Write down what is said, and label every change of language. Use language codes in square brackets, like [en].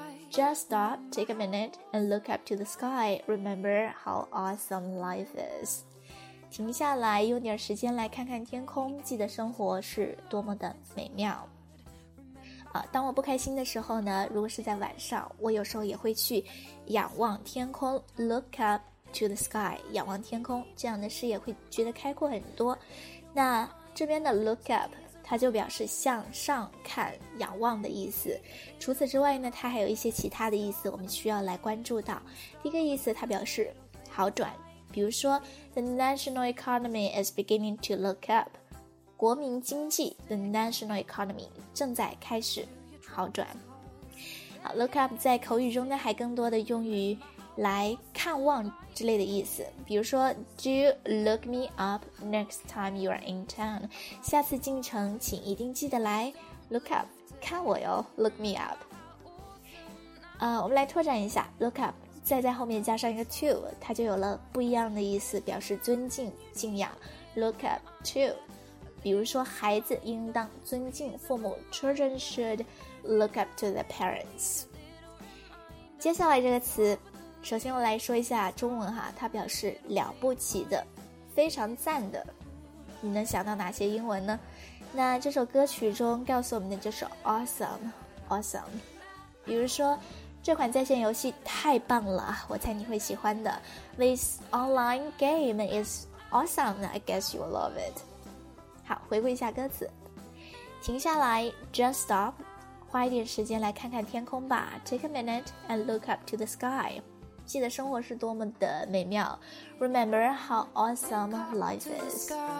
[en] Just stop, take a minute, and look up to the sky. Remember how awesome life is. [zh] 停下来，用点时间来看看天空，记得生活是多么的美妙。当我不开心的时候呢，如果是在晚上，我有时候也会去仰望天空 ，look up to the sky， 仰望天空，这样的视野会觉得开阔很多。那这边的 look up， 它就表示向上看、仰望的意思。除此之外呢，它还有一些其他的意思，我们需要来关注到。第一个意思，它表示好转，比如说 ， [en] the national economy is beginning to look up。 [zh] 国民经济 [en] The national economy [zh] 正在开始好转。好 Look up 在口语中呢还更多的用于来看望之类的意思，比如说 [en] Do you look me up next time you are in town， [zh] 下次进城请一定记得来 Look up 看我哟 Look me up。我们来拓展一下 Look up， 在后面加上一个 to， 它就有了不一样的意思，表示尊敬敬仰 Look up to，比如说孩子应当尊敬父母 [en] Children should look up to their parents。 [zh] 接下来这个词，首先我来说一下中文哈，它表示了不起的，非常赞的，你能想到哪些英文呢？那这首歌曲中告诉我们的就是 awesome awesome。比如说这款在线游戏太棒了，我猜你会喜欢的。 [en] This online game is awesome, I guess you will love it。 [zh] 好，回顾一下歌词，停下来 ， [en] just stop， [zh] 花一点时间来看看天空吧 ， [en] take a minute and look up to the sky， [zh] 记得生活是多么的美妙 ， [en] remember how awesome life is。